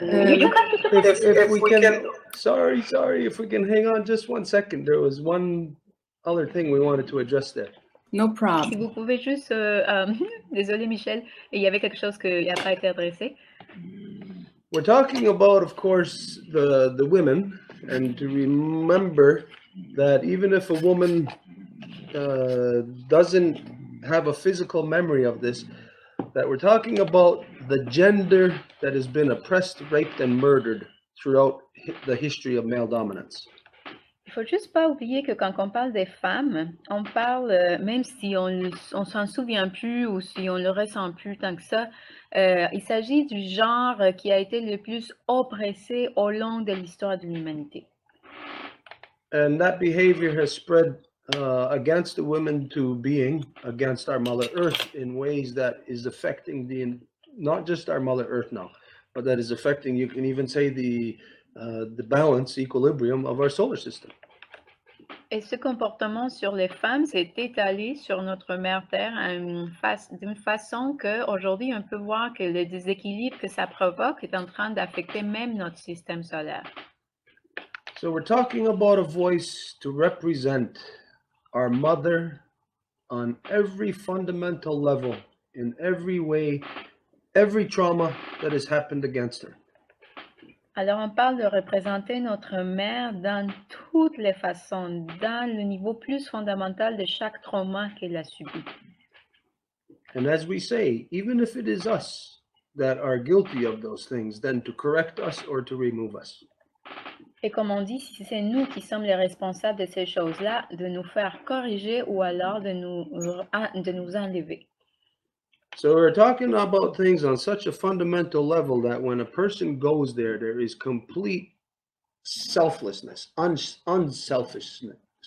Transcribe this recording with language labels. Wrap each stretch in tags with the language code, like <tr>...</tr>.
<en>If we can hang on just one second, there was one other thing we wanted to address there. No problem.</en> <fr>Si vous pouvez juste, désolé Michel, il y avait quelque chose qui n'a pas été adressé.</fr> <en>We're talking about, of course, the women, and to remember that even if a woman doesn't have a physical memory of this, that we're talking about the gender that has been oppressed, raped, and murdered throughout the history of male dominance.</en> <fr>Il faut juste pas oublier que quand on parle des femmes, on parle, même si on s'en souvient plus ou si on le ressent plus tant que ça, il s'agit du genre qui a été le plus oppressé au long de l'histoire de l'humanité.</fr> <en>And that behavior has spread against the women to being against our Mother Earth in ways that is affecting the not just our Mother Earth now, but that is affecting, you can even say, the balance, equilibrium of our solar system.</en> <fr>Et ce comportement sur les femmes s'est étalé sur notre mère Terre d'une façon que aujourd'hui on peut voir que le déséquilibre que ça provoque est en train d'affecter même notre système solaire.</fr> <en>So we're talking about a voice to represent our mother on every fundamental level, in every way, every trauma that has happened against her.</en> <fr>Alors on parle de représenter notre mère dans toutes les façons, dans le niveau plus fondamental de chaque trauma qu'elle a subi.</fr> <en>And as we say, even if it is us that are guilty of those things, then to correct us or to remove us.</en> <fr>Et comme on dit, si c'est nous qui sommes les responsables de ces choses-là, de nous faire corriger ou alors de nous enlever.</fr> <en>So we're talking about things on such a fundamental level that when a person goes there, there is complete selflessness, unselfishness.</en>